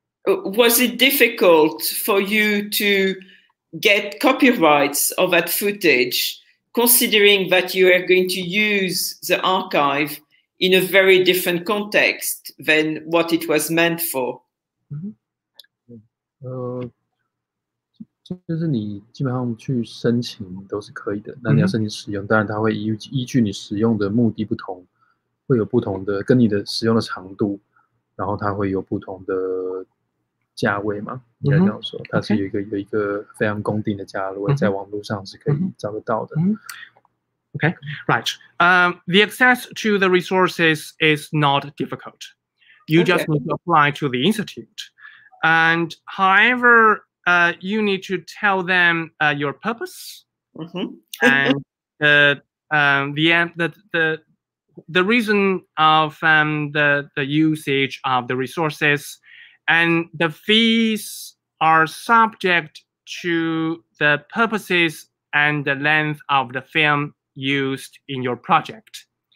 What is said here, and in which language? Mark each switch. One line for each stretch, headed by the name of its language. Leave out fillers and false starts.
English: Was it difficult for you to get copyrights of that footage, considering that you are going to use the archive in a very different context than what it was meant for? Mm-hmm.
Chinese: 就是你基本上去申请都是可以的，那你要申请使用，当然它会依据你使用的目的不同，会有不同的跟你的使用的长度，然后它会有不同的价位嘛，应该这样说，它是有一个、okay. 有一个非常公定的价位，在网络上是可以找得到的。
English: Okay, right. The access to the resources is not difficult. You just need to apply to the institute. And however, you need to tell them your purpose, and the reason of the usage of the resources, and the fees are subject to the purposes and the length of the film used in your project.